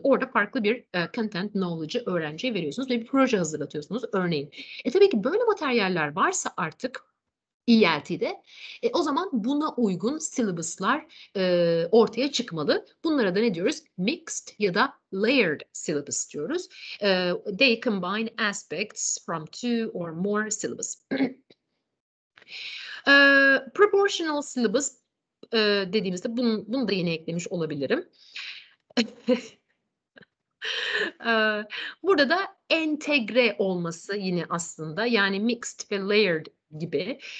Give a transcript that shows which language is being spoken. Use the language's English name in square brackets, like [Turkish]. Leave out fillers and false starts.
[Turkish] Orada farklı bir content knowledge'ı öğrenciye veriyorsunuz ve bir proje hazırlatıyorsunuz. Örneğin. Tabii ki böyle materyaller varsa artık ELT'de o zaman buna uygun syllabus'lar ortaya çıkmalı. Bunlara da ne diyoruz? Mixed ya da layered syllabus diyoruz. [English] They combine aspects from two or more syllabus. [Turkish] proportional syllabus dediğimizde bunu da yine eklemiş olabilirim. burada da entegre olması yine aslında yani mixed ve layered gibi.